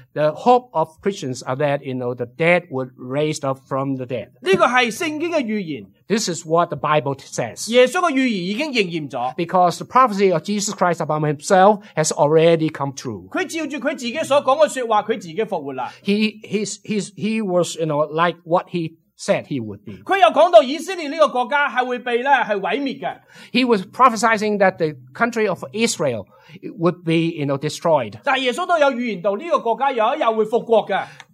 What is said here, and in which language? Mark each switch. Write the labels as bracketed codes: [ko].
[en] The hope of Christians are that, you know, the dead would raise up from the dead. [yue] 呢个系圣经嘅预言。 [en] This is what the Bible says. [yue] 耶稣嘅预言已经应验咗。 [en] Because the prophecy of Jesus Christ about himself has already come true. [yue] 佢照住佢自己所讲嘅说话，佢自己复活啦。 [en] He was, you know, like what he said he would be. [yue] 佢又讲到以色列呢个国家系会被咧系毁灭嘅。 [en] He was prophesizing that the country of Israel would be, you know, destroyed. [yue] 但耶稣都有预言到呢个国家有一日会复国嘅。